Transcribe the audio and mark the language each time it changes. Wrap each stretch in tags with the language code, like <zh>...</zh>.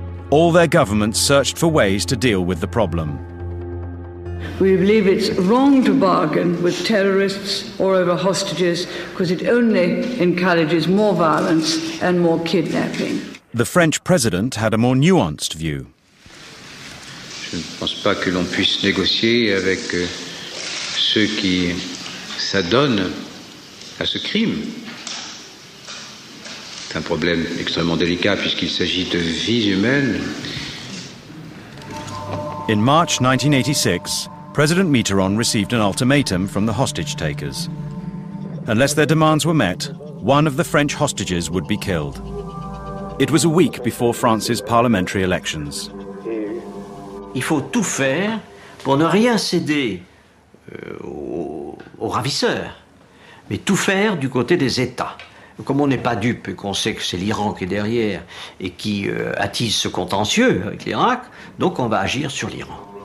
<en>All their governments searched for ways to deal with the problem. We believe it's wrong to bargain with terrorists or over hostages because it only encourages more violence and more kidnapping. The French president had a more nuanced view.</en> <fr>Je ne pense pas que l'on puisse négocier avec ceux qui s'adonnent à ce crime. C'est un problème extrêmement délicat puisqu'il s'agit de vies humaines.</fr> <en>In March 1986, President Mitterrand received an ultimatum from the hostage takers. Unless their demands were met, one of the French hostages would be killed. It was a week before France's parliamentary elections.</en> <fr>Il faut tout faire pour ne rien céder aux ravisseurs, mais tout faire du côté des États. Comme on n'est pas dupe et qu'on sait que c'est l'Iran qui est derrière et qui attise ce contentieux avec l'Irak, donc on va agir sur l'Iran.</fr>